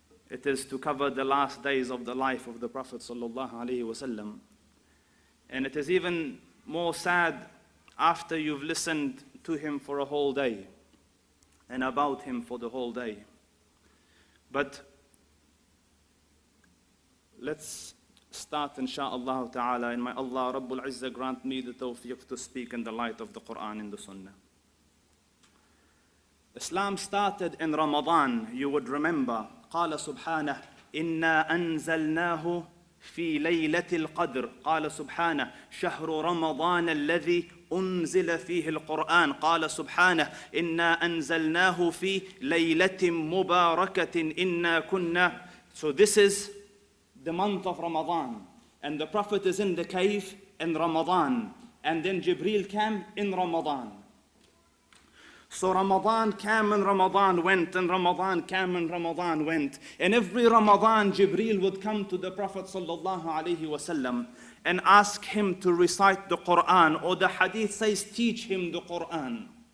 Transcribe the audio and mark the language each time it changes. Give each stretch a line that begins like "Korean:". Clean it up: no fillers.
English: It is to cover the last days of the life of the Prophet sallallahu alaihi wasallam, and it is even more sad after you've listened to him for a whole day and about him for the whole day. But let's start insha'Allah ta'ala, and may Allah Rabbul Izza grant me the tawfiq to speak in the light of the Quran and the Sunnah. Islam started in Ramadan, you would remember.
Arabic: قال سبحانه إنا أنزلناه في ليلة القدر قال سبحانه شهر رمضان الذي أنزل فيه القرآن قال سبحانه إنا أنزلناه في ليلة مباركة إنا كنا.
English: So this is the month of Ramadan, and the Prophet is in the cave in Ramadan, and then Jibreel came in Ramadan. So Ramadan came and Ramadan went, and Ramadan came and Ramadan went. And every Ramadan, Jibreel would come to the Prophet sallallahu alaihi wasallam and ask him to recite the Quran, or the hadith says, teach him the Quran.